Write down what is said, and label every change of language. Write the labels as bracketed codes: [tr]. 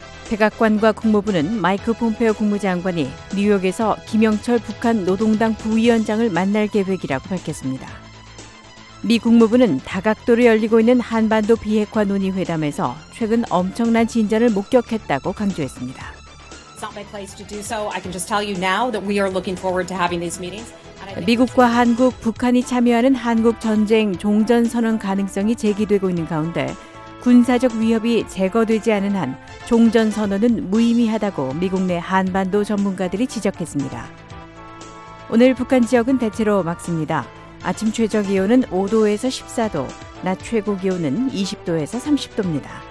[ko] 백악관과 국무부는 마이크 폼페오 국무장관이 뉴욕에서 김영철 북한 노동당 부위원장을 만날 계획이라고 밝혔습니다. 미 국무부는 다각도로 열리고 있는 한반도 비핵화 논의 회담에서 최근 엄청난 진전을 목격했다고 강조했습니다. [en] It's not my place to do so. I can just tell you now that we are looking forward to having these meetings. [ko] 미국과 한국, 북한이 참여하는 한국전쟁 종전선언 가능성이 제기되고 있는 가운데 군사적 위협이 제거되지 않은 한 종전선언은 무의미하다고 미국 내 한반도 전문가들이 지적했습니다. 오늘 북한 지역은 대체로 맑습니다. 아침 최저기온은 5도에서 14도, 낮 최고기온은 20도에서 30도입니다.